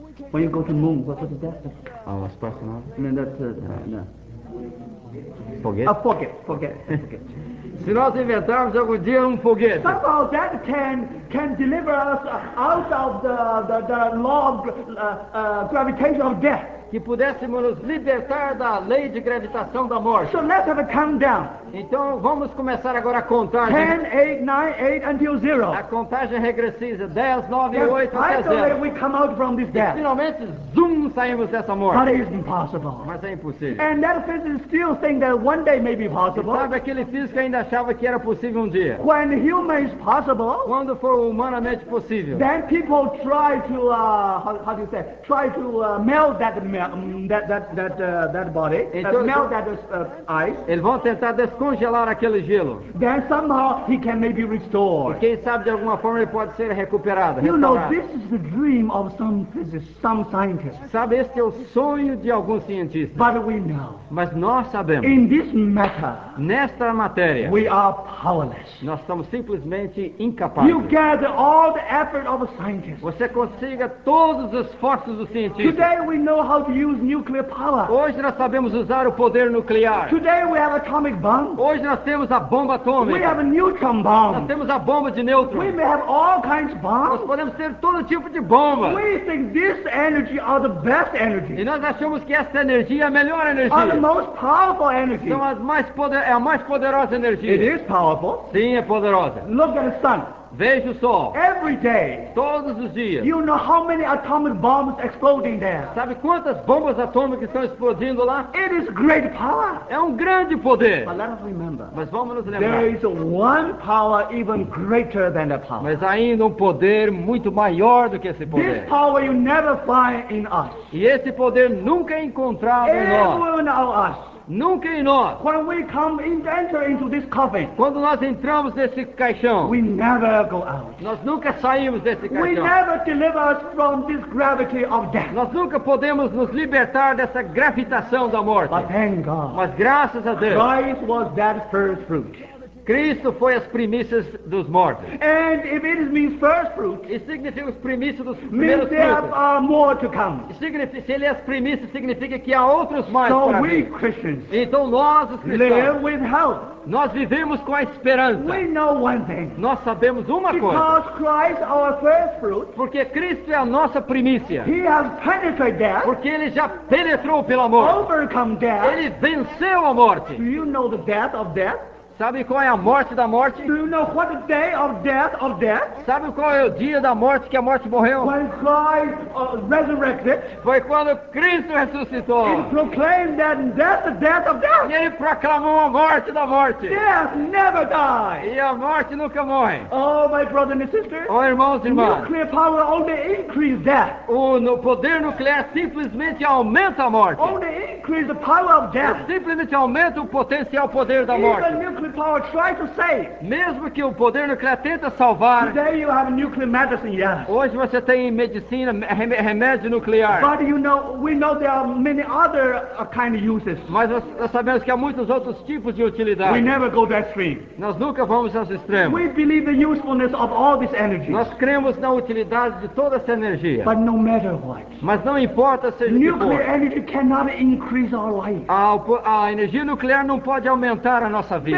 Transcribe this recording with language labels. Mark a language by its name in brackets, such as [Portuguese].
[English] When you go to moon, what is that? Oh, astronaut. I mean that's no. [Portuguese] Foguete? Foguete. Se nós inventarmos algum dia foguete. [English] Somehow that can deliver us out of the law of gravitation of death. [Portuguese] Que pudéssemos nos libertar da lei de gravitação da morte. [English] So let's have a countdown. [Portuguese] Então vamos começar agora a contagem. [English] 10, 8, 9, 8 until 0. [Portuguese] A contagem regressiva. 10, 9, 8 até 0. [English] Finally we come out from this death. [Portuguese] Finalmente, zoom, saímos dessa morte. [English] But it is impossible. [Portuguese] Mas é impossível. [English] And that physicist still think that one day may be possible. [Portuguese] E sabe, aquele físico ainda achava que era possível dia. [English] When human is possible. [Portuguese] Quando for humanamente possível. [English] Then people try to melt that body. [Portuguese] Então, eles vão tentar descongelar aquele gelo. [English] Then somehow he can maybe restore. [Portuguese] E quem sabe de alguma forma ele pode ser recuperado. [English] You know, this is the dream of some physicists, some scientists. [Portuguese] Sabe, este é o sonho de alguns cientistas. [English] But we know. [Portuguese] Mas nós sabemos. [English] In this matter. [Portuguese] Nesta matéria. [English] We are powerless. [Portuguese] Nós somos simplesmente incapazes. [English] You gather all the effort of a scientist. [Portuguese] Você consiga todos os esforços dos cientistas. [English] Today we know how to use nuclear power. [Portuguese] Hoje nós sabemos usar o poder nuclear. [English] Today we have atomic bomb. [Portuguese] Hoje nós temos a bomba atômica. [English] We have a neutron bomb. [Portuguese] Nós temos a bomba de nêutrons. [English] We may have all kinds of bombs. [Portuguese] Nós podemos ter todo tipo de bomba. [English] We think this energy are the best energy. [Portuguese] E nós achamos que esta energia é a melhor energia. [English] Are the most powerful energy. [Portuguese] São as mais é a mais poderosa energia. [English] It is powerful. [Portuguese] Sim, é poderosa. [English] Look at the sun. [Portuguese] Veja o sol. [English] Every day. [Portuguese] Todos os dias. [English] You know how many atomic bombs exploding there? [Portuguese] Sabe quantas bombas atômicas estão explodindo lá? [English] It is great power. [Portuguese] É grande poder. [English] But let us remember. [Portuguese] Mas vamos nos lembrar. [English] There is one power even greater than that power. [Portuguese] Mas ainda poder muito maior do que esse poder. [English] This power you never find in us. [Portuguese] E esse poder nunca encontrado em nós. [English] Everyone of us. [Portuguese] Nunca em nós. [English] When we come enter into this coffin. [Portuguese] Quando nós entramos nesse caixão. [English] We never go out. [Portuguese] Nós nunca saímos desse caixão. [English] We never deliver us from this gravity of death. [Portuguese] Nós nunca podemos nos libertar dessa gravitação da morte. [English] But thank God. [Portuguese] Mas graças a Deus. [English] Christ was that first fruit. [Portuguese] Cristo foi as primícias dos mortos. [English] And if it means first fruit, [Portuguese] isso significa os primícios dos primeiros frutos. [English] Means there are more to come. [Portuguese] Significa, se ele é as primícias, significa que há outros mais [English] so [Portuguese] para [English] we [Portuguese] vir. [English] Christians [Portuguese] então nós, os cristãos, [English] live with hope. [Portuguese] Nós vivemos com a esperança. [English] We know one thing. [Portuguese] Nós sabemos uma [English] Because [Portuguese] coisa. [English] Christ, our first fruit, [Portuguese] porque Cristo é a nossa primícia. [English] He has penetrated death, [Portuguese] porque ele já penetrou pela morte. [English] Overcome death. [Portuguese] Ele venceu a morte. [English] Do you know the death of death? [Portuguese] Sabe qual é a morte da morte? [English] Do you know what day of death of death? [Portuguese] Sabe qual é o dia da morte que a morte morreu? [English] When Christ resurrected. [Portuguese] Foi quando Cristo ressuscitou. [English] He proclaimed that death the death of death. [Portuguese] E ele proclamou a morte da morte. [English] Death never dies. [Portuguese] E a morte nunca morre. [English] Oh, my brothers and sisters. [Portuguese] Oh, irmãos e irmãs. [English] Nuclear power only increases death. [Portuguese] O poder nuclear simplesmente aumenta a morte. [English] Only increases the power of death. [Portuguese] Simplesmente aumenta o potencial poder da morte. [English] Power try to save. [Portuguese] Mesmo que o poder nuclear tenta salvar. [English] Today you have nuclear medicine, yes. [Portuguese] Hoje você tem medicina, remédio nuclear. [English] But you know, we know there are many other kind of uses. [Portuguese] Mas nós sabemos que há muitos outros tipos de utilidade. [English] We never go that extreme. [Portuguese] Nós nunca vamos aos extremos. [English] We believe the usefulness of all this energy. [Portuguese] Nós cremos na utilidade de toda essa energia. [English] But no matter what. [Portuguese] Mas não importa se [English] nuclear energy cannot increase our life. [Portuguese] A energia nuclear não pode aumentar a nossa vida.